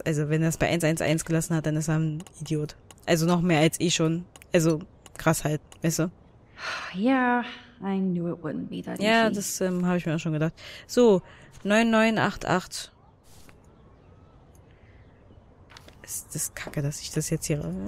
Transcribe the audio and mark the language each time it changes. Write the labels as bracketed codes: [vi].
[de] Also, wenn er es bei 111 gelassen hat, dann ist er ein Idiot. Also, noch mehr als eh schon. Also, krass halt. Weißt du? [en] Yeah, I knew it wouldn't be that easy. [de] Ja, das habe ich mir auch schon gedacht. So, 9988. Das ist kacke, dass ich das jetzt hier...